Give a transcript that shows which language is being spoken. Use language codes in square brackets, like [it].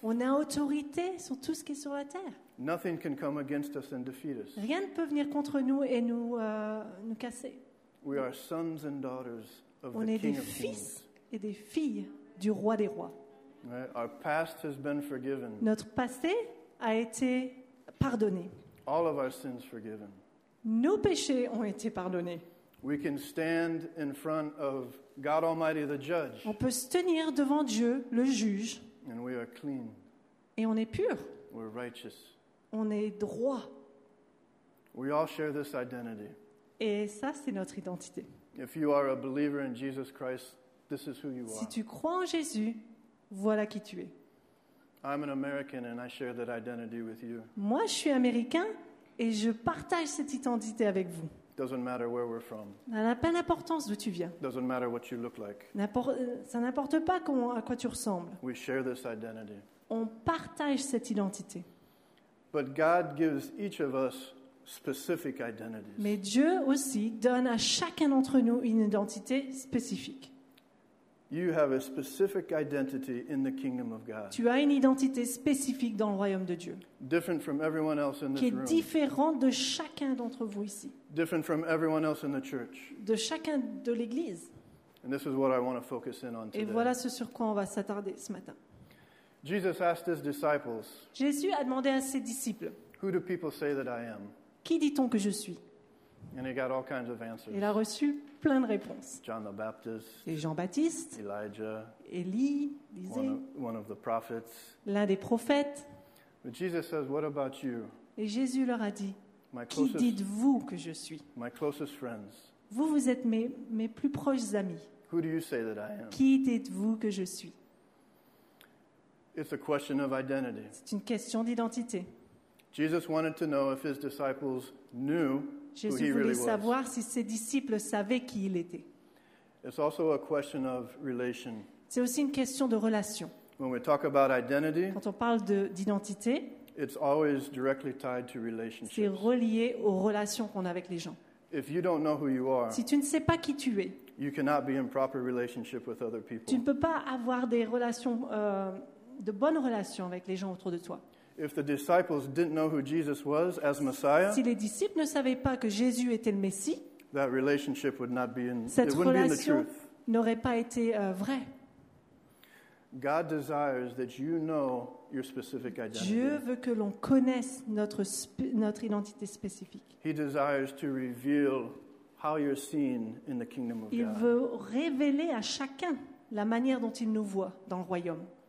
[fr] On a autorité sur tout ce qui est sur la terre. [en] Nothing can come against us and defeat us. [fr] Rien ne peut venir contre nous et nous nous casser. [en] We are sons and daughters of the King of Kings. [fr] On est des fils et des filles du roi des rois. [en] Right? Our past has been forgiven. [fr] Notre passé a été pardonné. [en] All of our sins forgiven. [fr] Nos péchés ont été pardonnés. [en] We can stand in front of God Almighty, the Judge. [fr] On peut se tenir devant Dieu, le juge. [en] And we are clean. [fr] Et on est pur. [en] We're righteous. [fr] On est droit. [en] We all share this identity. [fr] Et ça, c'est notre identité. [en] If you are a believer in Jesus Christ, this is who you are. [fr] Si tu crois en Jésus, voilà qui tu es. [en] I'm an American and I share that identity with you. [fr] Moi, je suis américain et je partage cette identité avec vous. [en] Doesn't matter where we're from. [fr] Ça n'a pas d'importance d'où tu viens. [en] Doesn't matter what you look like. [fr] Ça n'importe pas comment, à quoi tu ressembles. [en] We share this identity. [fr] On partage cette identité. [en] But God gives each of us specific identities. [fr] Mais Dieu aussi donne à chacun d'entre nous une identité spécifique. [en] You have a specific identity in the kingdom of God. [fr] Tu as une identité spécifique dans le royaume de Dieu. [en] Different from everyone else in this [fr] Qui est différente de chacun d'entre vous ici. [en] Different from everyone else in the church. [fr] De chacun de l'église. [en] And this is what I want to focus in on today. [fr] Et voilà ce sur quoi on va s'attarder ce matin. [en] Jesus asked his disciples. [fr] Jésus a demandé à ses disciples. [en] Who do people say that I am? [fr] Qui dit-on que je suis? [en] And he got all kinds of answers. [fr] Il a reçu plein de réponses. [en] John the Baptist, [fr] et Jean-Baptiste, [en] Elijah, [fr] Élie, Élisée, [en] one of the prophets. [fr] L'un des prophètes. [en] But Jesus says, what about you? [fr] Et Jésus leur a dit, qui dites-vous que je suis? [en] My closest friends. [fr] Vous êtes mes plus proches amis. [en] Who do you say that I am? [fr] Qui dites-vous que je suis? [en] It's a question of identity. [fr] C'est une question d'identité. [en] Jesus wanted to know if his disciples knew [fr] Jésus voulait savoir si ses disciples savaient qui il était. [en] It's also a question of relation. [fr] C'est aussi une question de relation. [en] When we talk about identity, [fr] quand on parle d'identité, [en] it's always directly tied to relationships. [fr] C'est relié aux relations qu'on a avec les gens. [en] If you don't know who you are, [fr] si tu ne sais pas qui tu es, [en] you cannot be in proper relationship with other people. [fr] Tu ne peux pas avoir des relations, de bonnes relations avec les gens autour de toi. [en] If the disciples didn't know who Jesus was as Messiah, [fr] si les disciples ne savaient pas que Jésus était le Messie, [en] that relationship would not be in, [fr] cette [en] it wouldn't [fr] relation [en] be in the truth. [fr] N'aurait pas été vraie. [en] God desires that you know your specific identity. [fr] Dieu veut que l'on connaisse notre identité spécifique. [en] He desires to reveal how you're seen in the kingdom of God. [fr] Il veut révéler à chacun la manière dont il nous voit dans le royaume.